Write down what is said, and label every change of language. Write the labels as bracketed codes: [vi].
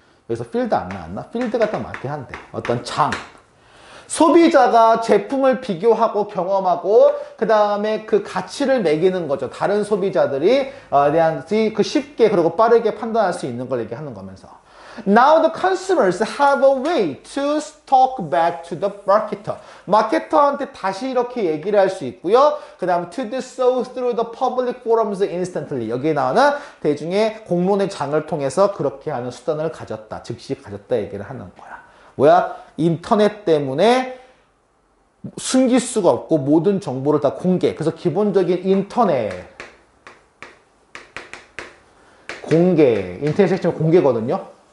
[ko] 여기서 필드 안 나왔나? 필드가 딱 맞긴 한데 어떤 장. 소비자가 제품을 비교하고 경험하고 그 다음에 그 가치를 매기는 거죠. 다른 소비자들이 대한 그 쉽게 그리고 빠르게 판단할 수 있는 걸 얘기하는 거면서. [en] Now the consumers have a way to talk back to the marketer. [ko] 마케터한테 다시 이렇게 얘기를 할 수 있고요. 그 다음 [en] to do so through the public forums instantly. [ko] 여기에 나오는 대중의 공론의 장을 통해서 그렇게 하는 수단을 가졌다. 즉시 가졌다 얘기를 하는 거야. 뭐야? 인터넷 때문에 숨길 수가 없고 모든 정보를 다 공개. 그래서 기본적인 인터넷 핵심은 공개거든요.